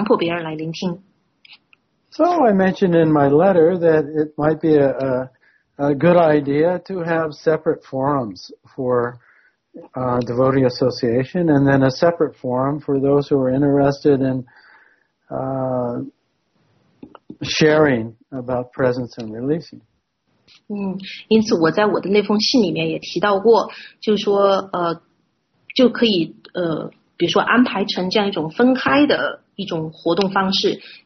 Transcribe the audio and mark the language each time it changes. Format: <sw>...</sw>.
<zh>因此的话，在奉献者的联谊中，在奉献者专门用来阅读《伯加梵歌》和《伯加瓦坛》唱诵、念诵曼陀罗的这个节目当中，这个联谊活动当中，就不应该把这个临在与释放的教导去强迫那些对此并不感兴趣的奉献者，强迫别人来接受，强迫别人来聆听。So</zh> <en>I mentioned in my letter that it might be a good idea to have separate forums for devotee association and then a separate forum for those who are interested in sharing about presence and releasing.</en> <zh>因此我在我的那封信里面也提到过，就是说，就可以，比如说安排成这样一种分开的一种活动方式。</zh>